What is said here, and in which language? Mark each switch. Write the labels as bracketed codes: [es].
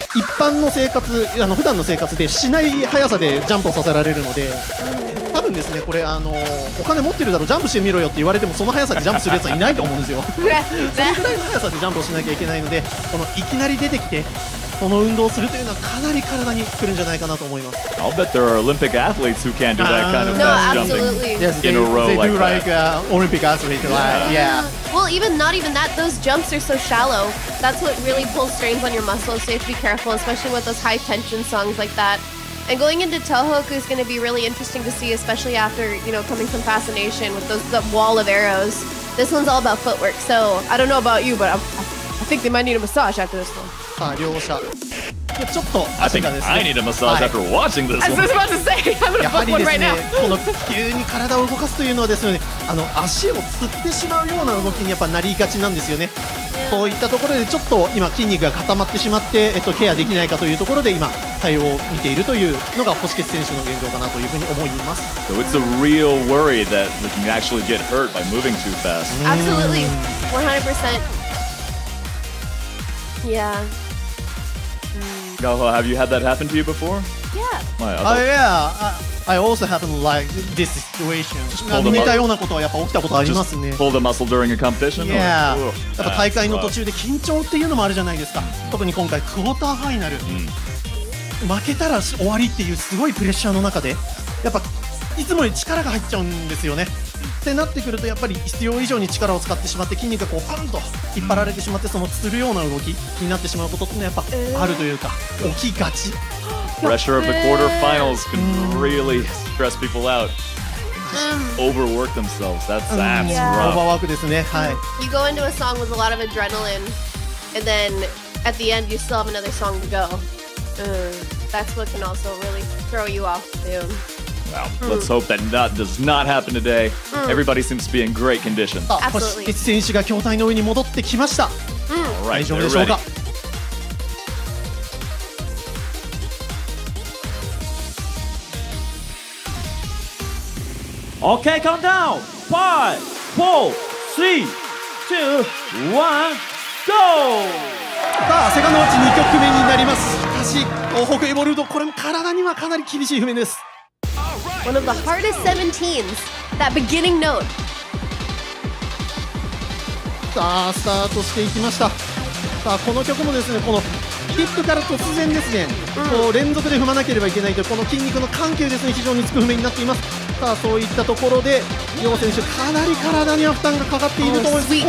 [ja] 一般の生活、あの普段の生活でしない速さでジャンプをさせられるので、多分ですね、これあのお金持ってるだろジャンプしてみろよって言われても、その速さでジャンプするやつはいないと思うんですよ。それくらいの速さでジャンプをしなきゃいけないので、このいきなり出てきてその運動をするというのはかなり体に来るんじゃないかなと思います。 [en] I'll bet there are Olympic athletes who can do that kind of no, fast jumping yes, in a row they do like Olympic athletes yeah. Like, yeah. Well, even not even that, those jumps are so shallow. That's what really pulls strains on your muscles, so you have to be careful, especially with those high tension songs like that. And going into Tohoku is going to be really interesting to see, especially after, you know, coming from Fascination with those, the wall of arrows. This one's all about footwork, so I don't know about you, but I think they might need a massage after this one. I think I need a massage after watching this one. I was about to say, I'm going to book one right now. [ja] この急に体を動かすというのはですね、あの足をつってしまうような動きにやっぱなりがちなんですよね。そういったところでちょっと今筋肉が固まってしまって、ケアできないかというところで今対応を見ているというのが星傑選手の現状かなというふうに思います。 [en] So it's a real worry that you can actually get hurt by moving too fast. Absolutely, 100%Yeah. Gaho, have you had that happen to you before? Yeah. Oh, yeah. I also happened like this situation. Just pull the muscle during a competition? Yeah. [ja] やっぱ大会の途中で緊張っていうのもあるじゃないですか。特に今回クォーターファイナル。負けたら終わりっていうすごいプレッシャーの中で、やっぱいつもより力が入っちゃうんですよね。ってなってくると、やっぱり必要以上に力を使ってしまって、筋肉がこうパンと引っ張られてしまって、そのつるような動きになってしまうことってのはやっぱあるというか、起きがち。 [en] Pressure of the quarterfinals can really stress people out. Overwork themselves. That's rough. [ja] Overwork ですね。はい。 [en] You go into a song with a lot of adrenaline, and then at the end you still have another song to go. That's what can also really throw you off too. Well, let's hope that not, does not happen today. Everybody seems to be in great condition. Absolutely. [ja] 星選手が筐体の上に戻ってきました。大丈夫でしょうか。 [en] OK, calm down. 5, 4, 3, 2, 1, go! [ja] さあ、セカンドウォッチ2曲目になります。しかし、東北エボルード、これも体にはかなり厳しい譜面です。 [en] One of the hardest 17s, that beginning note. [ja] さあ、スタートしていきました。さあ、この曲もですね、このヒップから突然ですね、こう連続で踏まなければいけないという、この筋肉の緩急ですね、非常につく踏みになっています。さあ、そういったところで、楊選手、かなり体には負担がかかっていると思います。